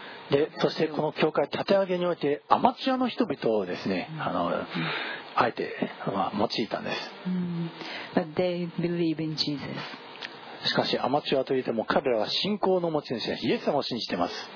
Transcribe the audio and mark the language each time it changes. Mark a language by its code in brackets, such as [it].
[ja] でそしてこの教会立て上げにおいてアマチュアの人々をですね、あえて、用いたんです。 [en] But they believe in Jesus. [ja] しかしアマチュアといっても彼らは信仰の持ち主です。イエス様を信じています。